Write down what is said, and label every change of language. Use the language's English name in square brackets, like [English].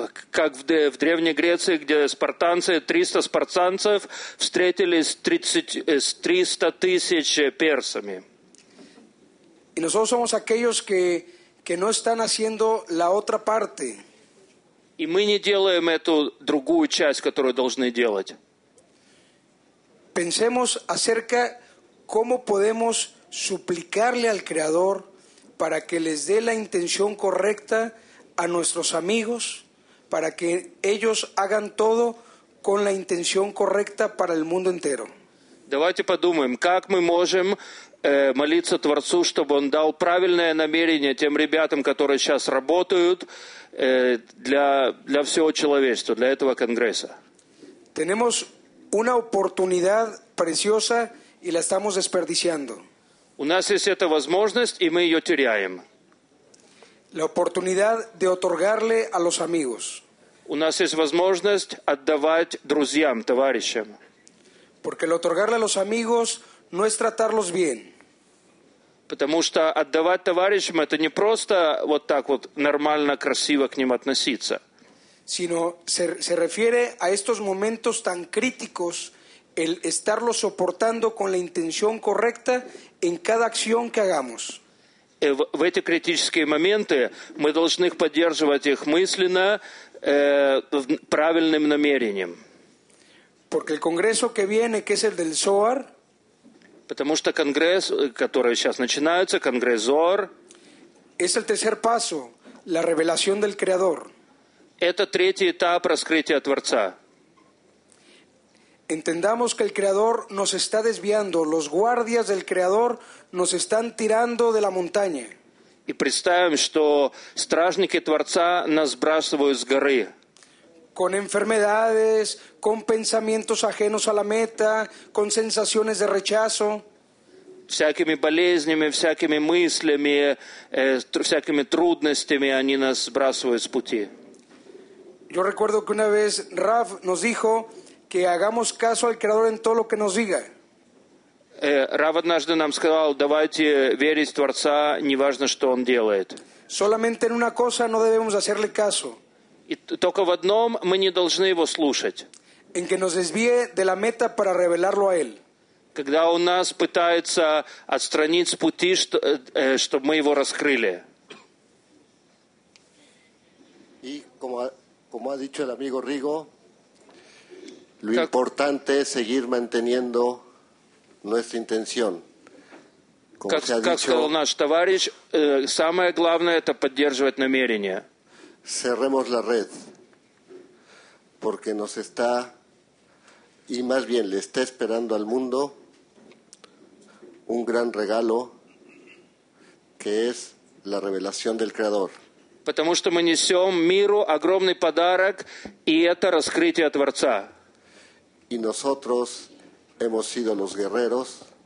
[Russian] Как в Древней Греции, где спартанцы, 300 спартанцев встретились с 300 тысяч персами. [Spanish] Y nosotros somos aquellos que no están haciendo la otra parte. [Russian] И мы не делаем эту другую часть, которую должны делать. [Spanish] Pensemos acerca cómo podemos suplicarle al Creador para que les dé la intención correcta a nuestros amigos, para que ellos hagan todo con la intención correcta para el mundo entero. [Russian] Давайте подумаем, как мы можем молиться Творцу, чтобы он дал правильное намерение тем ребятам, которые сейчас работают для всего человечества, для этого конгресса. [Spanish] Tenemos una oportunidad preciosa y la estamos desperdiciando. [Russian] У нас есть эта возможность, и мы ее теряем. [Spanish] La oportunidad de otorgarle a los amigos. [Russian] У нас есть возможность отдавать друзьям, товарищам. [Spanish] Porque el otorgarle a los amigos no es tratarlos bien. [Russian] Потому что отдавать товарищам это не просто вот так вот нормально, красиво к ним относиться. [Spanish] Sino se refiere a estos momentos tan críticos el estarlo soportando con la intención correcta en cada acción que hagamos. [Russian] В эти критические моменты мы должны поддерживать их мысленно, правильным намерением. [Spanish] Porque el congreso que viene, que es el del Zohar, [Russian] потому что конгресс, который сейчас начинается, конгресс Зоар, [Spanish] es el tercer paso, la revelación del Creador. [Russian] Это третий этап раскрытия Творца. [Spanish] Entendamos que el Creador nos está desviando, los guardias del Creador nos están tirando de la montaña. [Russian] И представим, что стражники Творца нас сбрасывают с горы. [Spanish] Con enfermedades, con pensamientos ajenos a la meta, con sensaciones de rechazo. [Russian] Всякими болезнями, всякими мыслями, всякими трудностями они нас сбрасывают с пути. [Spanish] Yo recuerdo que una vez Raf nos dijo que hagamos caso al Creador en todo lo que nos diga. [Russian] Раф однажды нам сказал, давайте верить в Творца, неважно, что Он делает. [Spanish] Solamente en una cosa no debemos hacerle caso. [Russian] И только в одном мы не должны Его слушать. [Spanish] En que nos desvíe de la meta para revelarlo a Él. [Russian] Когда Он нас пытается отстранить с пути, чтобы мы Его раскрыли. [Spanish] И, como ha dicho el amigo Rigo, lo importante es seguir manteniendo nuestra intención. [Russian] Как сказал наш товарищ, самое главное это поддерживать намерение. [Spanish] Cerremos la red, porque nos está, y más bien le está esperando al mundo un gran regalo, que es la revelación del Creador. [Russian] Потому что мы несем миру огромный подарок, и это раскрытие Творца. [Spanish] Y nosotros hemos sido los guerreros.